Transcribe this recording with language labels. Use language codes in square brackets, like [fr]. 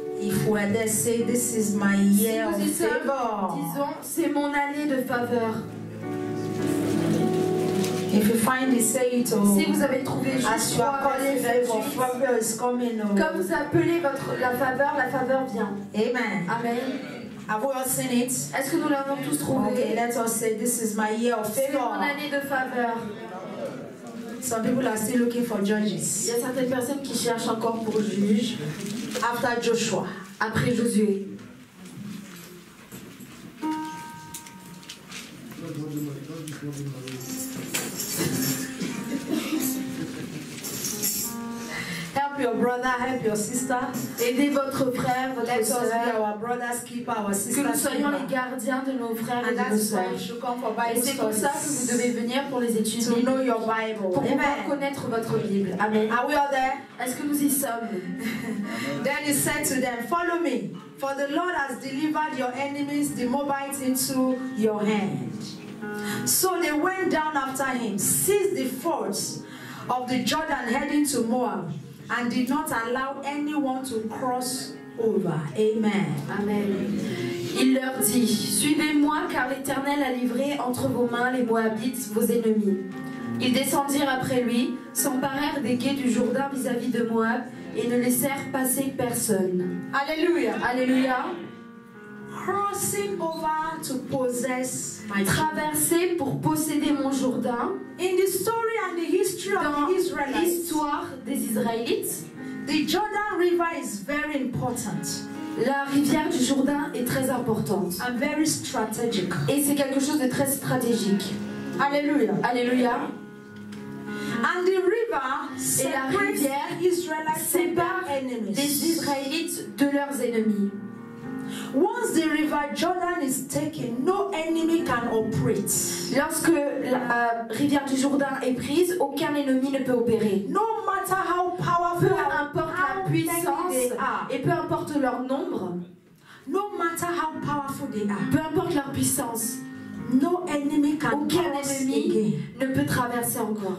[en] If we had said this is my year [fr] si [en] of favor, [fr] disons c'est mon année de faveur. [en] If you find it, say it. Oh, [fr] si vous avez trouvé juste [en] favor is coming. Oh, [fr] comme vous appelez votre la faveur vient. [en] Amen. [fr] Amen. [en] Have we all seen it? [fr] Est-ce que nous l'avons tous trouvé? [en] Okay, let us say this is my year of favor. [fr] C'est mon année de faveur. [en] Some people are still looking for judges. [fr] Il y a certaines personnes qui cherchent encore pour juges. [en] After Joshua, [fr] après Josué. [en] Help your brother, help your sister. [fr] Aidez votre frère, votre sœur. [en] Let us be our brother's keeper, our sister's keeper. [fr] Que nous soyons les gardiens de nos frères et de nos sœurs. [en] And that's why you come for Bible studies. [fr] Et c'est pour ça que vous devez venir pour les études. [en] To know your Bible. [fr] Pour pouvoir connaître votre Bible. [en] Amen. Are we all there? [fr] Est-ce que nous y sommes? [en] Then he said to them, follow me, for the Lord has delivered your enemies, the Moabites, into your hand. So they went down after him, seized the fords of the Jordan heading to Moab, and did not allow anyone to cross over. Amen. [fr] Amen. Il leur dit, suivez-moi, car l'Éternel a livré entre vos mains les Moabites, vos ennemis. Ils descendirent après lui, s'emparèrent des guets du Jourdain vis-à-vis de Moab, et ne laissèrent passer personne. Alléluia. Alléluia. [en] Crossing over to possess my [fr] traverser pour posséder mon Jourdain. [en] In the story and the history [fr] dans [en] of Israelites, [fr] l'histoire des Israélites, [en] the Jordan River is very important. [fr] La rivière du Jourdain est très importante. [en] And very strategic. [fr] Et c'est quelque chose de très stratégique. [en] Alléluia. [fr] Alléluia. [en] And the river [fr] et la rivière [en] Israelites [fr] sépare les Israélites de leurs ennemis. [en] Once the river Jordan is taken, no enemy can operate. [fr] Lorsque la rivière du Jourdain est prise, aucun ennemi ne peut opérer. [en] No matter how powerful, [fr] peu importe [en] how [fr] la puissance et peu importe leur nombre, [en] no matter how powerful they are, [fr] peu importe leur puissance, [en] no enemy can [fr] aucun ennemi [en] again. [fr] Ne peut traverser encore.